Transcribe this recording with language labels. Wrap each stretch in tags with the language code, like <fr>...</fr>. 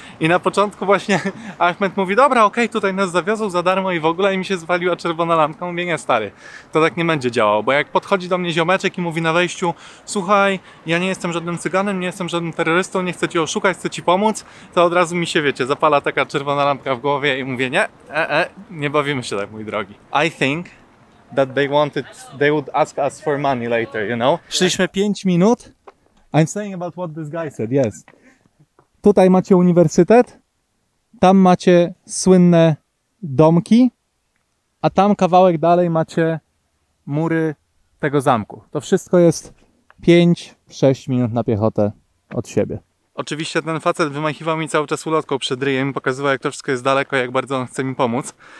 <pl>I na początku właśnie Ahmed mówi, dobra, okej, tutaj nas zawiozą za darmo i w ogóle, i mi się zwaliła czerwona lampka. Mówię, nie stary, to tak nie będzie działało, bo jak podchodzi do mnie ziomeczek i mówi na wejściu, słuchaj, ja nie jestem żadnym cyganem, nie jestem żadnym terrorystą, nie chcę cię oszukać, chcę ci pomóc, to od razu mi się, wiecie, zapala taka czerwona lampka w głowie i mówię, nie bawimy się tak, mój drogi.</pl> <en>I think that they would ask us for money later, you know?</en> <pl>Szliśmy 5 minut.</pl> <en>I'm saying about what this guy said, yes.</en> <pl>Tutaj macie uniwersytet, tam macie słynne domki, a tam kawałek dalej macie mury tego zamku. To wszystko jest 5-6 minut na piechotę od siebie. Oczywiście ten facet wymachiwał mi cały czas ulotką przed ryjem, pokazywał jak to wszystko jest daleko, jak bardzo on chce mi pomóc.</pl>